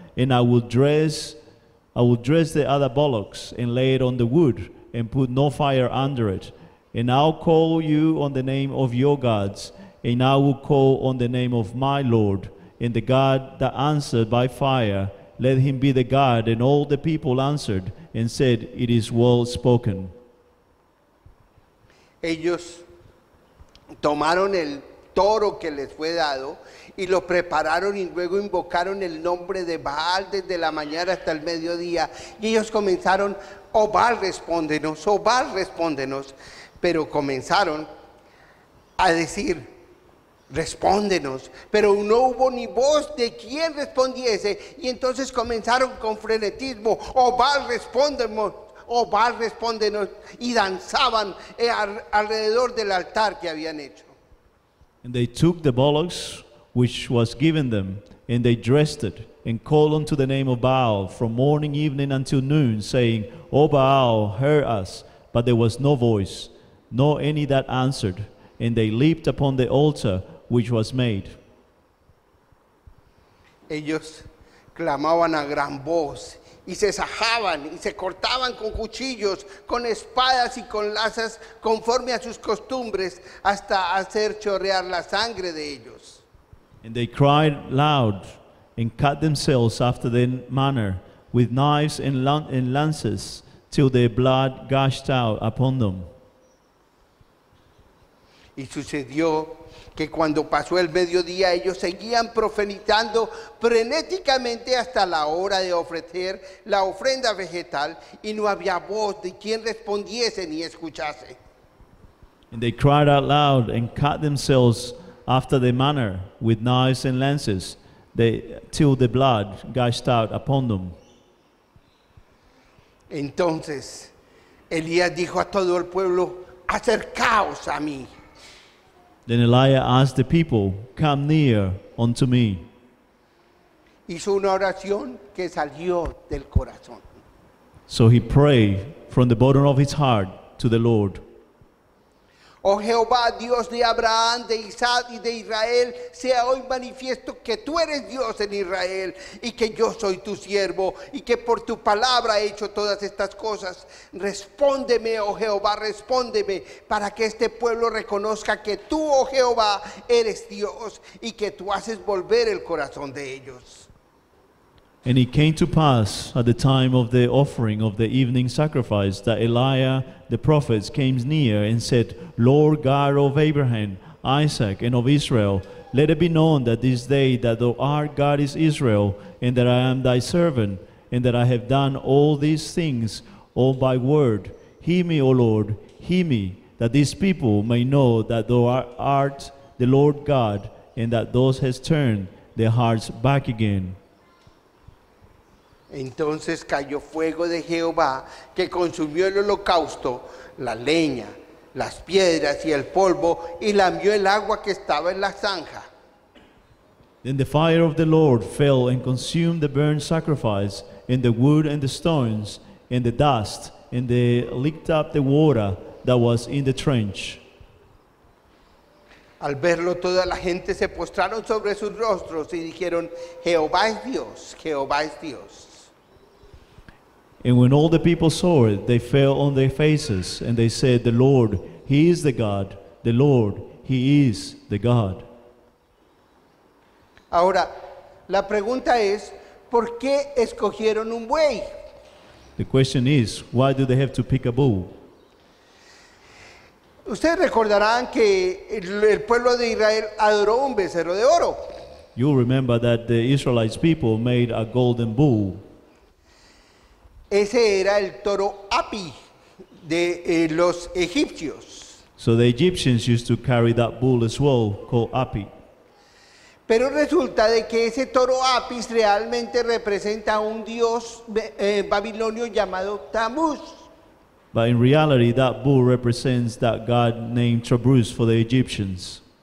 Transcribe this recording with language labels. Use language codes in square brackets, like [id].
[en] And I will dress the other bullocks, and lay it on the wood, and put no fire under it. And I'll call you on the name of your gods, and I will call on the name of my Lord, and the God that answered by fire, let him be the God. And all the people answered and said, it is well spoken. [es] Ellos tomaron el toro que les fue dado y lo prepararon y luego invocaron el nombre de Baal desde la mañana hasta el mediodía. Y ellos comenzaron, oh Baal, respóndenos, oh Baal, respóndenos. Pero comenzaron a decir, respóndenos, pero no hubo ni voz de quien respondiese, y entonces comenzaron con frenetismo, oh Baal, respóndenos, oh Baal, respóndenos, y danzaban alrededor del altar que habían hecho. [en] And they took the bullocks which was given them, and they dressed it, and called unto the name of Baal from morning evening until noon, saying, oh Baal, hear us. But there was no voice, nor any that answered, and they leaped upon the altar which was made. [es] Ellos clamaban a gran voz y se sajaban y se cortaban con cuchillos, con espadas y con lazas, conforme a sus costumbres, hasta hacer chorrear la sangre de ellos. [en] And they cried loud and cut themselves after their manner with knives and lances, till their blood gushed out upon them. [es] Y sucedió que cuando pasó el mediodía, ellos seguían profanizando frenéticamente hasta la hora de ofrecer la ofrenda vegetal, y no había voz de quien respondiese ni escuchase. [en] And they cried out loud and cut themselves after their manner with knives and lances, till the blood gushed out upon them. [es] Entonces Elías dijo a todo el pueblo, acercaos a mí. [en] Then Elijah asked the people, "Come near unto me." [es] Hizo una oración que salió del corazón. [en] So he prayed from the bottom of his heart to the Lord. [es] Oh Jehová, Dios de Abraham, de Isaac y de Israel, sea hoy manifiesto que tú eres Dios en Israel y que yo soy tu siervo y que por tu palabra he hecho todas estas cosas. Respóndeme, oh Jehová, respóndeme para que este pueblo reconozca que tú, oh Jehová, eres Dios y que tú haces volver el corazón de ellos. [en] And it came to pass at the time of the offering of the evening sacrifice that Elijah the prophet came near and said, "Lord God of Abraham, Isaac, and of Israel, let it be known that this day that thou art God is Israel, and that I am thy servant, and that I have done all these things all by word. Hear me, O Lord, hear me, that these people may know that thou art the Lord God, and that thou hast turned their hearts back again." [es] Entonces cayó fuego de Jehová que consumió el holocausto, la leña, las piedras y el polvo y lamió el agua que estaba en la zanja. [en] Then the fire of the Lord fell and consumed the burnt sacrifice and the wood and the stones and the dust and they licked up the water that was in the trench. [es] Al verlo, toda la gente se postraron sobre sus rostros y dijeron, Jehová es Dios, Jehová es Dios. [en] And when all the people saw it, they fell on their faces, and they said, "The Lord, He is the God. The Lord, He is the God." [es] Ahora, la pregunta es, ¿por qué escogieron un buey? [en] The question is, why do they have to pick a bull? [es] Ustedes recordarán que el pueblo de Israel adoró un becerro de oro. [en] You remember that the Israelites people made a golden bull. [es] Ese era el toro api de los egipcios. [en] So the Egyptians used to carry that bull as well, called api. [es] Pero resulta de que ese toro api realmente representa a un dios babilonio llamado Tammuz. [en] But in reality, that bull represents that god named Tammuz for the Egyptians.